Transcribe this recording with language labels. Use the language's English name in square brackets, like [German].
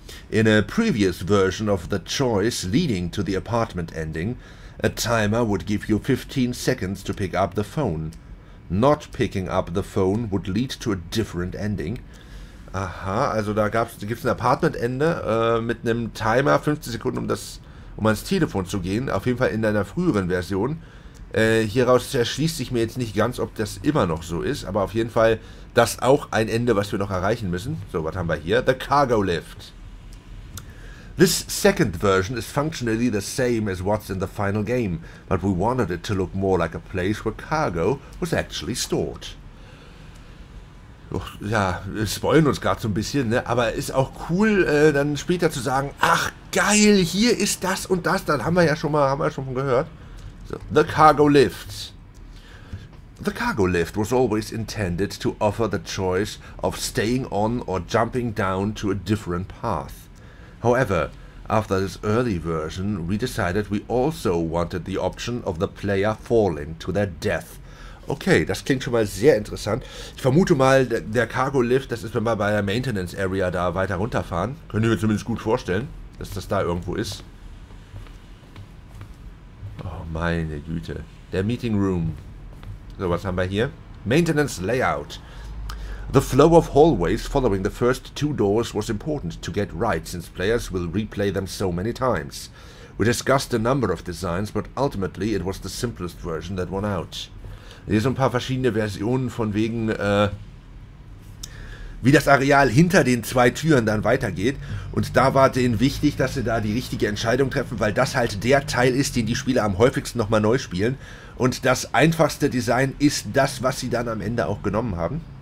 [English] In a previous version of the choice leading to the apartment ending, a timer would give you 15 seconds to pick up the phone. Not picking up the phone would lead to a different ending. [German] Aha, also da gibt es ein Apartment-Ende mit einem Timer, 15 Sekunden, um ans Telefon zu gehen, auf jeden Fall in deiner früheren Version. Hieraus erschließt sich mir jetzt nicht ganz, ob das immer noch so ist, aber auf jeden Fall das auch ein Ende, was wir noch erreichen müssen. So, was haben wir hier? The Cargo Lift. [English] This second version is functionally the same as what's in the final game, but we wanted it to look more like a place where cargo was actually stored. [German] Ja, wir spoilen uns gerade so ein bisschen, ne? Aber ist auch cool, dann später zu sagen, ach geil, hier ist das und das, dann haben wir ja schon mal, haben wir schon von gehört. [English] So, the cargo lift. The cargo lift was always intended to offer the choice of staying on or jumping down to a different path. However, after this early version, we decided we also wanted the option of the player falling to their death. [German] Okay, das klingt schon mal sehr interessant. Ich vermute mal, der Cargo Lift, das ist, wenn wir bei der Maintenance Area da weiter runterfahren. Könnt ihr mir zumindest gut vorstellen, dass das da irgendwo ist. Oh, meine Güte. Der Meeting Room. So, was haben wir hier? [English] Maintenance Layout. The flow of hallways following the first two doors was important to get right, since players will replay them so many times. We discussed a number of designs, but ultimately it was the simplest version that won out. [German] Hier so ein paar verschiedene Versionen von wegen, wie das Areal hinter den zwei Türen dann weitergeht. Und da war denen wichtig, dass sie da die richtige Entscheidung treffen, weil das halt der Teil ist, den die Spieler am häufigsten nochmal neu spielen. Und das einfachste Design ist das, was sie dann am Ende auch genommen haben.